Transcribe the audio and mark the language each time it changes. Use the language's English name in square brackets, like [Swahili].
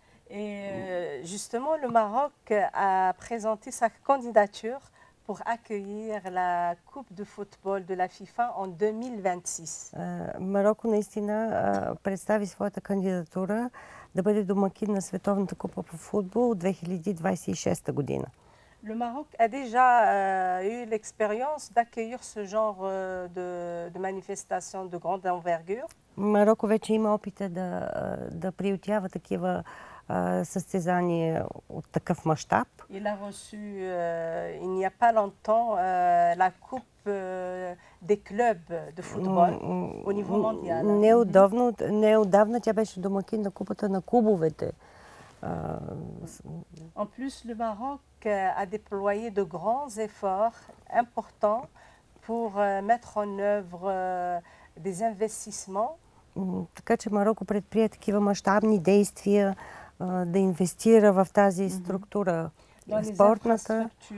[French] Et justement, le Maroc a présenté sa candidature pour accueillir la Coupe de football de la FIFA en 2026. [Bulgarian] Марокко наистина представи своята кандидатура да бъде домакин на Световната купа по футбол 2026 година. [French] Le Maroc a déjà eu l'expérience d'accueillir ce genre de manifestation de grande envergure. [Bulgarian] Мароко вече има опита да приютява такива състезание от такъв мащаб. [French] Il a reçu il n'y a pas longtemps la coupe des clubs de football au niveau mondial. [Bulgarian] Неотдавна тя беше домакин на купата на клубовете. [French] En plus le Maroc a déployé de grands efforts importants pour mettre en œuvre des investissements. [Bulgarian] Така че Мароко предприе такива мащабни действия да инвестира в тази структура, спортната.